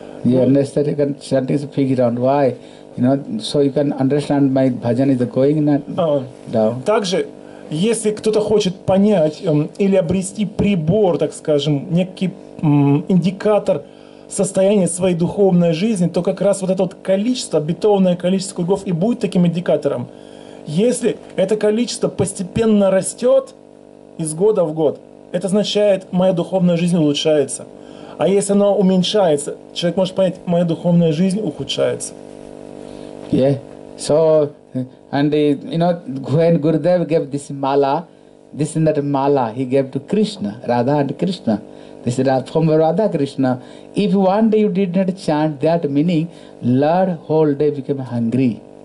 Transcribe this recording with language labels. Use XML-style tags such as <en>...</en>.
<en>Yeah, necessary can something is figure out why, you know, so you can understand my bhajan is going down.</en> <ru>Также, если кто-то хочет понять или обрести прибор, так скажем, некий индикатор состояния своей духовной жизни, то как раз вот это вот количество, обетованное количество кругов и будет таким индикатором. Если это количество постепенно растет из года в год, это означает, моя духовная жизнь улучшается. А если оно уменьшается, человек может понять, моя духовная жизнь ухудшается.</ru> <en>Yeah. So, and you know, when Gurudev gave this mala, this is not mala, he gave to Krishna, Radha and Krishna. This is from Radha Krishna. If one day you did not chant that meaning, Lord whole day became hungry.</en>